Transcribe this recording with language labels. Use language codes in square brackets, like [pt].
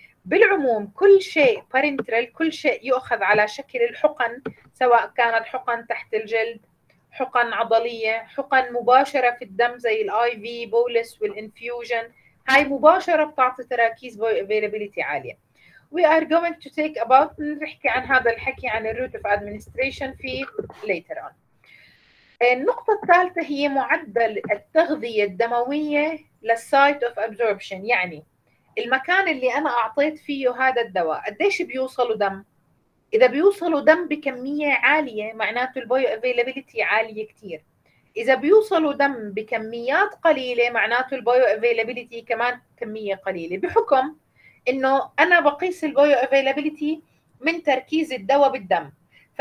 [ar] بالعموم كل شيء بارنترال، كل شيء يؤخذ على شكل الحقن، سواء كانت حقن تحت الجلد، حقن عضليه، حقن مباشره في الدم زي الاي في بولس والانفيوجن، هاي مباشره بتعطي تراكيز بايو افيلابيليتي عاليه. [en] We are going to take about [ar] نحكي عن هذا الحكي عن [en] the route of administration في later on. [ar] النقطة الثالثة هي معدل التغذية الدموية لل site of absorption، يعني المكان اللي أنا أعطيت فيه هذا الدواء قديش بيوصله دم. إذا بيوصله دم بكمية عالية معناته البيو availability عالية كتير، إذا بيوصله دم بكميات قليلة معناته البيو availability كمان كمية قليلة، بحكم انه انا بقيس البايو افيلابيليتي من تركيز الدواء بالدم. ف